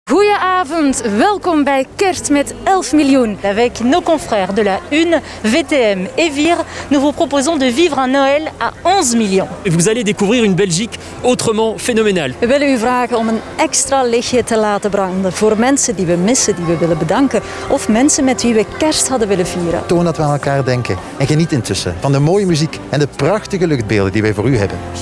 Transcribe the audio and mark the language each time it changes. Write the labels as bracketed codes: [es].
[nl] Goedenavond, welkom bij Kerst met 11 miljoen. [fr] Avec nos confrères de la Une, VTM et Vire, nous vous proposons de vivre un Noël à 11 millions. Vous allez découvrir une Belgique autrement phénoménale. [nl] We willen u vragen om een extra lichtje te laten branden voor mensen die we missen, die we willen bedanken, of mensen met wie we kerst hadden willen vieren. Toon dat we aan elkaar denken en geniet intussen van de mooie muziek en de prachtige luchtbeelden die wij voor u hebben.